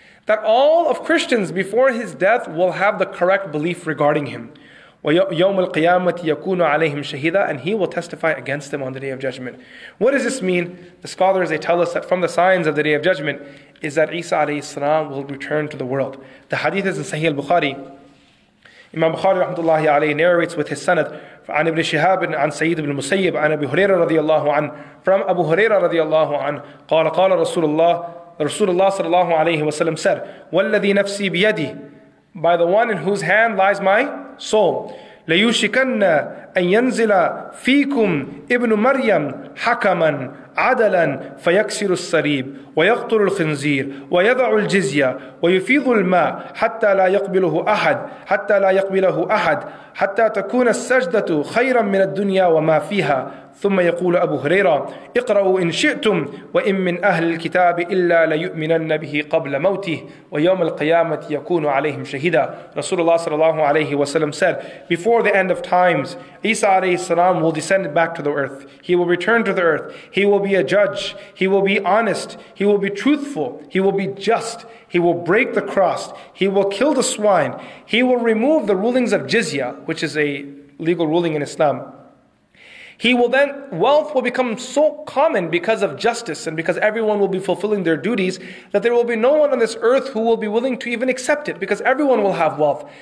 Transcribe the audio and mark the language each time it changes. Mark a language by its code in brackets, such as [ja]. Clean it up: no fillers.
[en] That all of Christians before his death will have the correct belief regarding him. [ar] وَيَوْمَ الْقِيَامَةِ يَكُونُ عَلَيْهِمْ شَهِدًا [en] And he will testify against them on the Day of Judgment. What does this mean? The scholars, they tell us that from the signs of the Day of Judgment is that Isa alayhi salam will return to the world. The hadith is in Sahih al-Bukhari. Imam Bukhari rahmatullahi alayhi narrates with his sanad [ar] عن ابن شهاب عن سيد بن مسيب عن أبي هريرة رضي الله عنه [en] from Abu Huraira [ar] رضي الله عنه قال قال رسول الله رسول الله صلى الله عليه وسلم said والذي نفسي بيدي [en] by the one in whose hand lies my soul [ar] ليوشكن أن ينزل فيكم ابن مريم حكما عدلا فيكسر الصليب ويقتل الخنزير ويضع الجزية ويفيض الماء حتى لا يقبله أحد حتى لا يقبله أحد حتى تكون السجدة خيرا من الدنيا وما فيها ثم يقول أبو هريرة اقرأوا إن شئتم وإن من أهل الكتاب إلا ليؤمنن به قبل موته ويوم القيامة يكون عليهم شهيدا رسول الله صلى الله عليه وسلم [en] said before the end of times Isa alayhi salam will descend back to the earth he will return to the earth he will be a judge he will be honest he will be truthful he will be just He will break the cross. He will kill the swine. He will remove the rulings of jizya, which is a legal ruling in Islam. He will then, wealth will become so common because of justice and because everyone will be fulfilling their duties that there will be no one on this earth who will be willing to even accept it because everyone will have wealth.